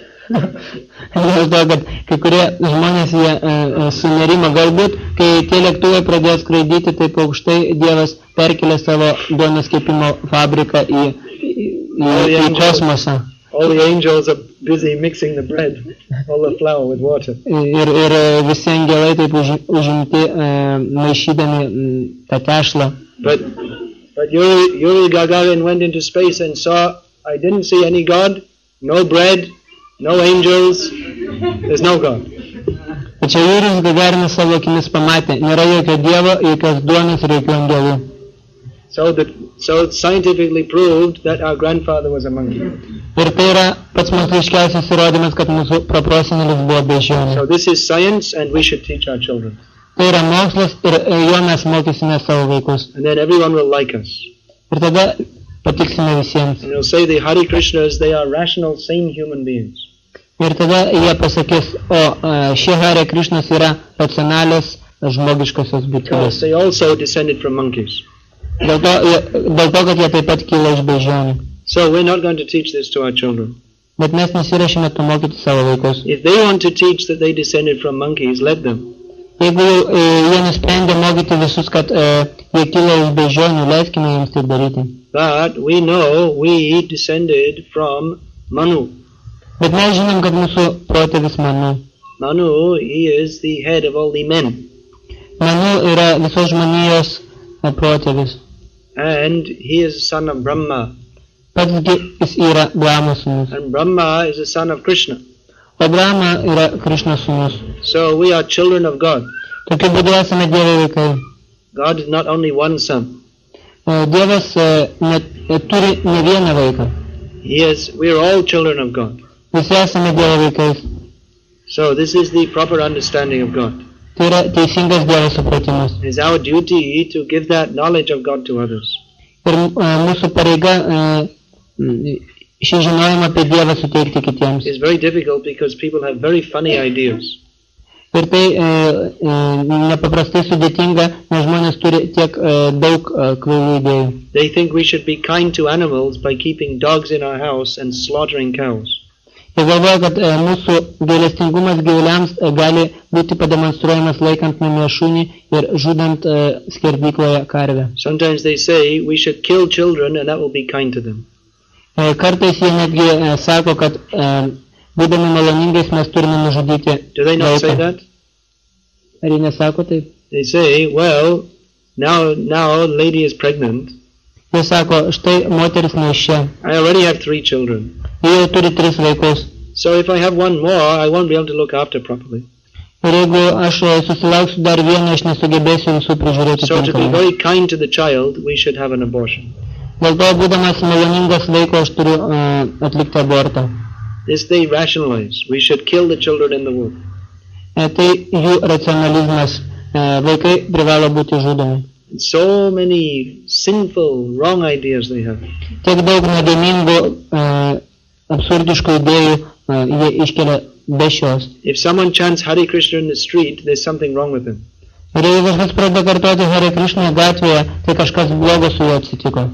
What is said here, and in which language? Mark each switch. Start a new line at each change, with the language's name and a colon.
Lithuanian: Aš to, kad kai kurie žmonės jie sunerimo, galbūt, kai tie lėktuvai pradėjo skraidyti, taip aukštai Dievas perkelė savo duonos kepimo fabriką į kosmosą.
English: All the angels are busy mixing the bread, all the flour with water.
Lithuanian: Ir visi angelai taip užimti maišydami tą tešlą.
English: But Yuri Gagarin went into space and saw, I didn't see any God, no bread, no angels, there's no God.
Lithuanian: Tačiau Jūris Gagarinas savo akimis pamatė, nėra jokio Dievo, jokios duonos ir jokių angelų.
English: So it's scientifically proved that our grandfather was a monkey.
Lithuanian: Ir tai yra pats moksliškiausias įrodymas, kad mūsų proprosenelis buvo beždžionė.
English: So this is science and we should teach our children.
Lithuanian: Tai yra mokslas ir jo mes mokysime savo vaikus.
English: And then everyone will like us.
Lithuanian: Ir tada patiksime visiems.
English: And they'll say the Hare Krishnas, they are rational, sane human beings.
Lithuanian: Ir tada jie pasakys, o šie Hare Krishnas yra racionalios žmogiškosios būtybės.
English: They also descended from monkeys.
Lithuanian: Dėl to, kad jie taip pat kilo iš beždžionių.
English: So we're not going to teach this to our children.
Lithuanian: Bet mes nesiruošime to mokyti savo vaikus.
English: If they want to teach that they descended from monkeys, let them.
Lithuanian: Jeigu jie nusprendė mokyti visus, kad jie kilo iš beždžionių, leiskime jiems tai daryti.
English: But we know we descended from Manu.
Lithuanian: Bet mes žinom, kad mūsų protėvis Manu.
English: Manu, he is the head of all the men.
Lithuanian: Manu yra visos žmonijos protėvis.
English: And he is the son of Brahma.
Lithuanian: Pats jis yra Brahma sūnus.
English: And Brahma is the son of Krishna.
Lithuanian: O Brahma yra Krishna sūnus.
English: So we are children of God.
Lithuanian: Tokiu būdu esame Dievo vaikai.
English: God is not only one son.
Lithuanian: Dievas turi ne vieną vaiką.
English: Yes, we are all children of God.
Lithuanian: Visi esame Dievo vaikais.
English: So this is the proper understanding of God.
Lithuanian: Tai yra teisingas Dievo supratimas.
English: It is our duty to give that knowledge of God to others.
Lithuanian: Ir mūsų pareiga šį žinojimą apie Dievą suteikti kitiems.
English: It is very difficult because people have very funny ideas.
Lithuanian: Ir tai nepaprastai sudėtinga, nes žmonės turi tiek daug kvailų idėjų.
English: They think we should be kind to animals by keeping dogs in our house and slaughtering cows.
Lithuanian: Jie galvoja, kad mūsų gailestingumas gyvuliams gali būti pademonstruojamas laikant namie šunį ir žudant skerdykloje karvę.
English: Sometimes they say we should kill children and that will be kind to them.
Lithuanian: Kartais jie netgi sako, kad būdami maloningais mes turime nužudyti.
English: Do they not say that?
Lithuanian: Ar jie nesako taip?
English: They say, well, now lady is pregnant.
Lithuanian: Jie sako, štai moteris neišė.
English: I already have 3 children.
Lithuanian: Jie turi 3 vaikus.
English: So if I have one more, I won't be able to look after properly.
Lithuanian: Ir jeigu aš susilauksiu dar vieną, aš nesugebėsiu visų prižiūrėti tinkamai.
English: So to be very kind to the child, we should have an abortion.
Lithuanian: Dėl to, būdamas maloningas vaiko, aš turiu atlikti abortą.
English: This they rationalize. We should kill the children in the womb.
Lithuanian: Tai jų racionalizmas. Vaikai privalo būti žudomi.
English: So many sinful, wrong ideas they have.
Lithuanian: Tiek daug nuodėmingų, absurdiškų idėjų jie iškelia be šios.
English: If someone chants Hare Krishna in the street, there's something wrong with him.
Lithuanian: Ir jeigu kažkas pradeda kartuoti Hare Krishna gatvėje, tai kažkas blogo su juo atsitiko.